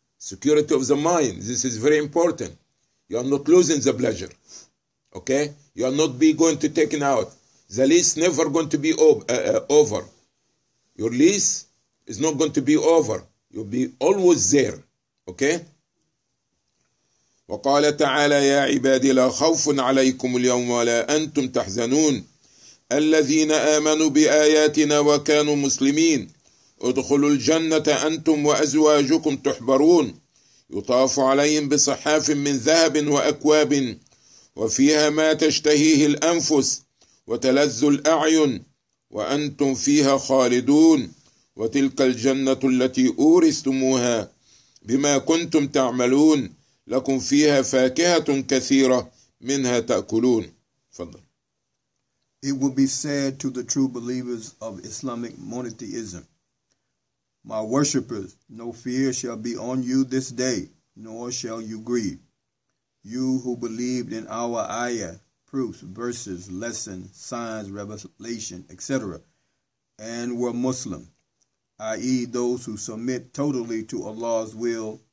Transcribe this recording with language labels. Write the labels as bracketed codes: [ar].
[en] Security of the mind, this is very important. You are not losing the pleasure. Okay? You are not be going to taken out. The lease never going to be over. Your lease is not going to be over. You'll be always there. Okay? [ar] وقال تعالى يا عبادي لا خوف عليكم اليوم ولا أنتم تحزنون الذين آمنوا بآياتنا وكانوا مسلمين ادخلوا الجنة أنتم وأزواجكم تحبرون يطاف عليهم بصحاف من ذهب وأكواب وفيها ما تشتهيه الأنفس وتلذ الأعين وأنتم فيها خالدون وتلك الجنة التي أورثتموها بما كنتم تعملون لكم فيها فاكهة كثيرة منها تأكلون. فضل. [en] It will be said to the true believers of Islamic monotheism, My worshippers, no fear shall be on you this day, nor shall you grieve. You who believed in our ayah, proofs, verses, lessons, signs, revelation, etc., and were Muslim, i.e. those who submit totally to Allah's will